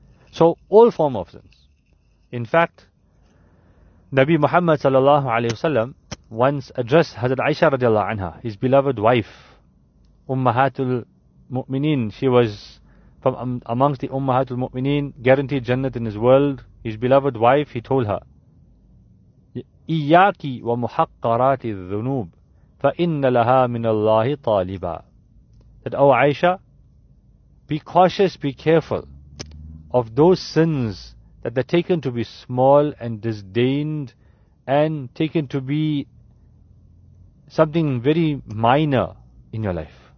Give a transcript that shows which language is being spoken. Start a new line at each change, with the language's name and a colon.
English: So all form of sins. In fact, Nabi Muhammad sallallahu alayhi wasallam once addressed Hazrat Aisha radiallahu anha, his beloved wife, Ummahatul Mu'mineen. She was from amongst the Ummahatul Mu'mineen, guaranteed Jannat in this world. His beloved wife, he told her,
Arabic: إِيَّاكِ وَمُحَقَّرَاتِ الذُّنُوبِ فَإِنَّ لَهَا مِنَ اللَّهِ طَالِبًا.
English: That, O Aisha, be cautious, be careful of those sins that are taken to be small and disdained and taken to be something very minor in your life.